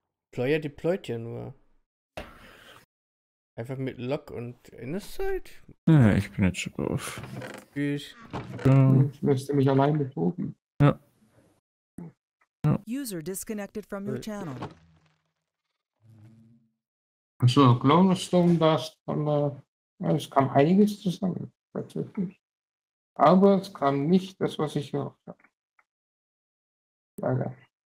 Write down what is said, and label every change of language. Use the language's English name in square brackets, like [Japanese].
[German] Deployer deployt ja nur. Einfach mit Lock und Innerside? Ja, ich bin jetzt schon drauf. Tschüss. Ja. Möchtest du mich allein betrogen? Ja. Ja. [English] User disconnected from your channel. [German] Achso, Clone Stone Dust. Es kam einiges zusammen. Tatsächlich. Aber es kam nicht das, was ich gehofft habe. Leider.